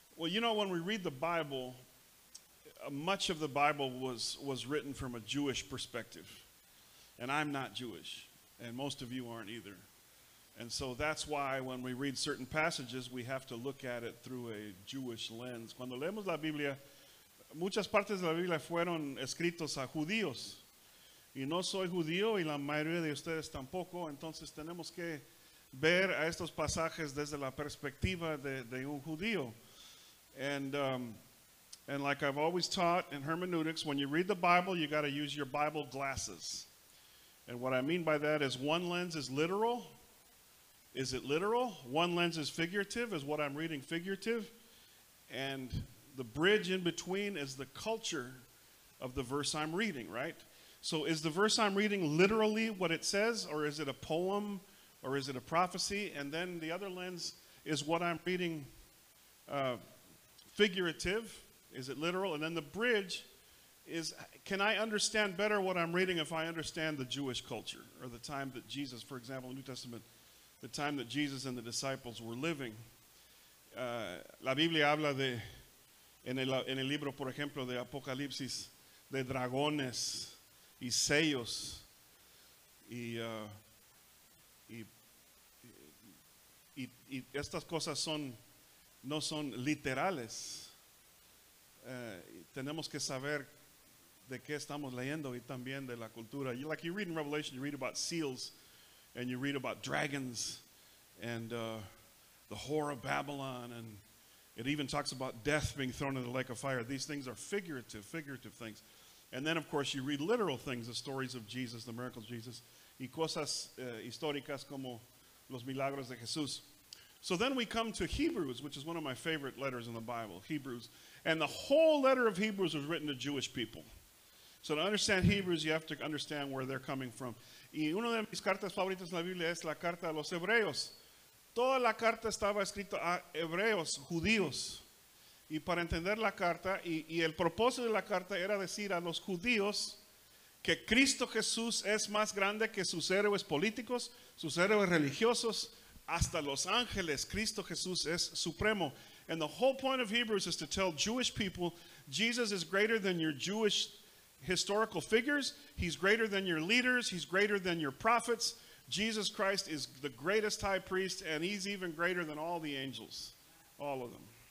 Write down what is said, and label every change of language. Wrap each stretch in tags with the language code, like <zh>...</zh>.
<en>Well, you know, when we read the Bible, much of the Bible was written from a Jewish perspective. And I'm not Jewish, and most of you aren't either. And so that's why when we read certain passages, we have to look at it through a Jewish lens.</en> <es>Cuando leemos la Biblia, muchas partes de la Biblia fueron escritos a judíos. Y no soy judío, y la mayoría de ustedes tampoco. Entonces tenemos que ver a estos pasajes desde la perspectiva de un judío.</es> <en>And like I've always taught in hermeneutics, when you read the Bible, you got to use your Bible glasses. And what I mean by that is one lens is literal. Is it literal? One lens is figurative. Is what I'm reading figurative? And the bridge in between is the culture of the verse I'm reading, right? So is the verse I'm reading literally what it says, or is it a poem, or is it a prophecy? And then the other lens is what I'm reading figurative. Is it literal? And then the bridge is, can I understand better what I'm reading if I understand the Jewish culture or the time that Jesus, for example, in the New Testament, the time that Jesus and the disciples were living.</en> <es>La Biblia habla de, en el libro, por ejemplo, de Apocalipsis, de dragones y sellos y estas cosas son, no son literales. Tenemos que saber de qué estamos leyendo y también de la cultura.</es> <en>Like you read in Revelation, you read about seals and you read about dragons and the whore of Babylon, and it even talks about death being thrown into the lake of fire. These things are figurative things. And then, of course, you read literal things, the stories of Jesus, the miracles of Jesus,</en> <es>y cosas históricas como los milagros de Jesús.</es> <en>So then we come to Hebrews, which is one of my favorite letters in the Bible, Hebrews. And the whole letter of Hebrews was written to Jewish people. So to understand Hebrews, you have to understand where they're coming from.</en> <es>Y una de mis cartas favoritas en la Biblia es la carta a los Hebreos. Toda la carta estaba escrita a Hebreos, judíos. Y para entender la carta, y el propósito de la carta era decir a los judíos que Cristo Jesús es más grande que sus héroes políticos, sus héroes religiosos, hasta los ángeles. Cristo Jesús es supremo.</es> <en>And the whole point of Hebrews is to tell Jewish people, Jesus is greater than your Jewish historical figures. He's greater than your leaders. He's greater than your prophets. Jesus Christ is the greatest high priest, and he's even greater than all the angels, all of them.</en>